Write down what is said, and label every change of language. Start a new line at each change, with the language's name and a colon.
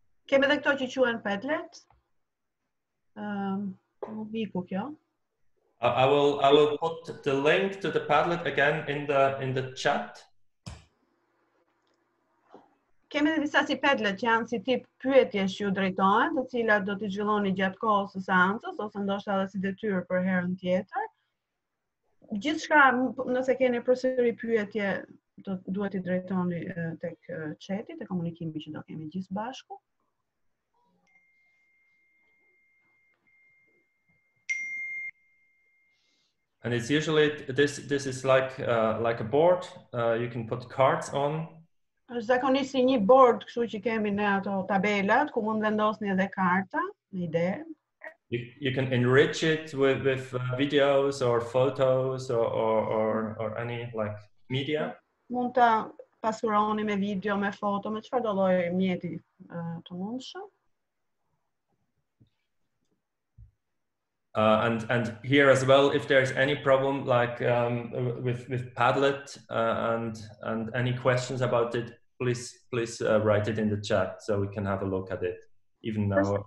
Albanian: Kemi edhe këto që quhen Padlet. Viku kjo.
English: I will put the link to the Padlet again in the chat.
Albanian: Kemi edhe disa si Padlet që janë si tip pyetje që ju drejtohen, të cilat do t'i zhvilloni gjatë kohës së seancës ose ndoshta edhe si detyrë për herën tjetër. Gjithçka, nëse keni përsëri pyetje, do duhet t'i drejtoni tek chati, tek komunikimi që do kemi gjithë bashku.
English: And it's usually this is like a board you can put cards on.
Albanian: Zakonisht një board, kështu që kemi ne ato tabelat ku mund vendosni edhe karta, një ide.
English: You can enrich it with videos or photos or any like media.
Albanian: Mund ta pasuroni me video, me foto, me çfarëdo lloj mjeti të mundshëm.
English: And here as well, if there's any problem like with Padlet and any questions about it, please write it in the chat so we can have a look at it, even now